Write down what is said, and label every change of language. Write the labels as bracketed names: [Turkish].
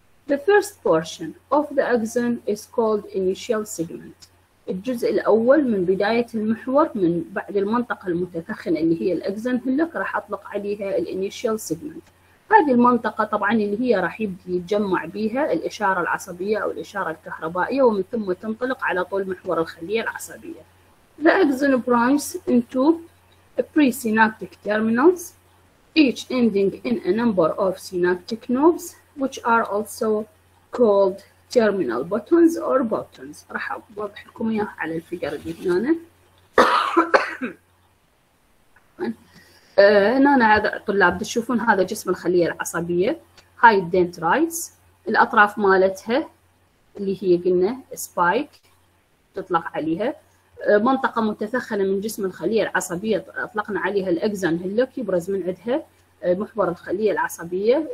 [English] The first portion of the axon is called initial segment، [Arabic] الجزء الأول من بداية المحور من بعد المنطقة المتثخنة اللي هي الأكزون هيلوك راح أطلق عليها الانيشال سيجمنت. هذه المنطقة طبعا اللي هي راح يبدي يتجمع بيها الإشارة العصبية أو الإشارة الكهربائية، ومن ثم تنطلق على طول محور الخلية العصبية. [English] The axon branches into presynaptic terminals each ending in a number of synaptic knobs which are also called terminal buttons or buttons. [Arabic] راح أوضح لكم إياها على الفيجر اللي هنا. هنا هذا طلاب تشوفون هذا جسم الخليه العصبيه، هاي الدنترايتس، الاطراف مالتها اللي هي قلنا سبايك تطلق عليها، منطقه متثخنه من جسم الخليه العصبيه اطلقنا عليها الاكزون هيلوك، يبرز من عندها محور الخليه العصبيه.